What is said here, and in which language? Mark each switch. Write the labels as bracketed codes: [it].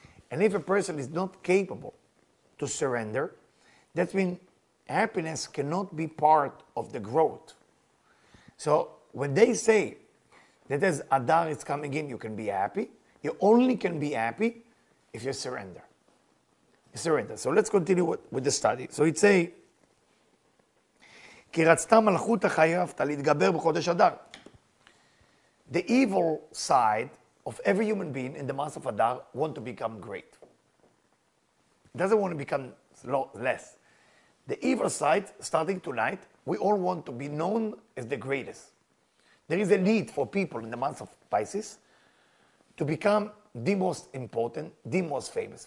[en] And if a person is not capable to surrender, that means happiness cannot be part of the growth. So when they say that as Adar is coming in, you can be happy, you only can be happy if you surrender. Surrender. So let's continue with the study. So it say, [he] כי רצתה מלכות החייבת להתגבר בחודש אדר. [en] The evil side of every human being in the month of Adar want to become great. Doesn't want to become less. The evil side, starting tonight, we all want to be known as the greatest. There is a need for people in the month of Pisces to become the most important, the most famous.